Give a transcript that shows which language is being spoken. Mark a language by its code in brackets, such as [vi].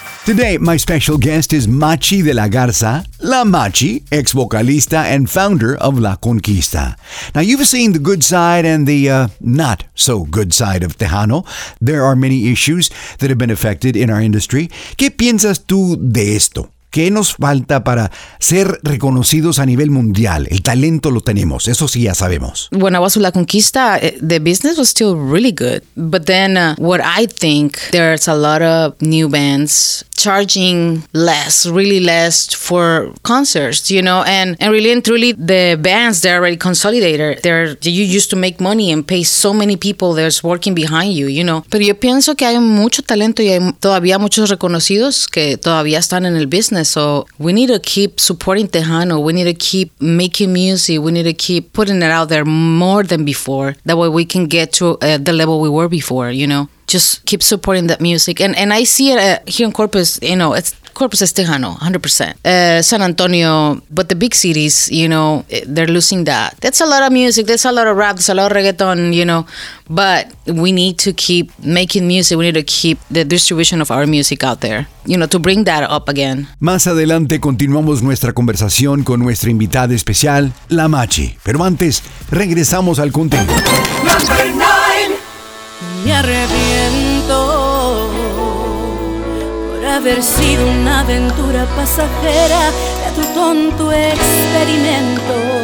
[en] Today, my special guest is Machi de la Garza, La Machi, ex-vocalista and founder of La Conquista. Now, you've seen the good side and the not-so-good side of Tejano. There are many issues that have been affected in our industry. [es] ¿Qué piensas tú de esto? ¿Qué nos falta para ser reconocidos a nivel mundial? El talento lo tenemos, eso sí ya sabemos. [en] When I was with La Conquista, the business was still really good. But then what I think, there's a lot of new bands charging less, really less for concerts, you know? And really and truly, the bands, they're already consolidated. You used to make money and pay so many people that's working behind you, you know? [es] Pero yo pienso que hay mucho talento y hay todavía muchos reconocidos que todavía están en el business. [en] So we need to keep supporting Tejano. We need to keep making music. We need to keep putting it out there more than before. That way we can get to the level we were before, you know. Just keep supporting that music. And I see it here in Corpus, you know, Corpus is Tejano, 100%. San Antonio, but the big cities, you know, they're losing that. That's a lot of music. That's a lot of rap. That's a lot of reggaeton, you know. But we need to keep making music. We need to keep the distribution of our music out there, you know, to bring that up again. [es] Más adelante continuamos nuestra conversación con nuestra invitada especial, La Machi. Pero antes, regresamos al contenido. Me arrepiento por haber sido una aventura pasajera de tu tonto experimento.